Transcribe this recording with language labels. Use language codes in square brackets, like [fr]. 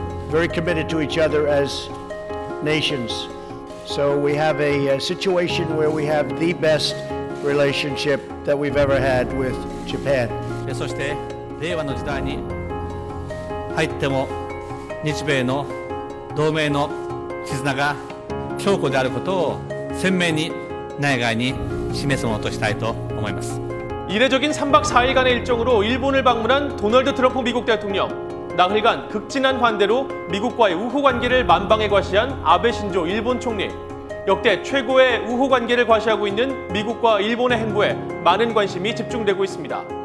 [en] Very committed to each other as nations. So we have a situation where we have the best relationship that we've ever had with Japan. [ja] そして令和の時代に入っても日米の同盟の絆が強固であることを鮮明に内外に示すものとしたいと思います。 [ko] 이례적인 3박 4일간의 일정으로 일본을 방문한 도널드 트럼프 미국 대통령. 나흘간 극진한 환대로 미국과의 우호 관계를 만방에 과시한 아베 신조 일본 총리. 역대 최고의 우호 관계를 과시하고 있는 미국과 일본의 행보에 많은 관심이 집중되고 있습니다.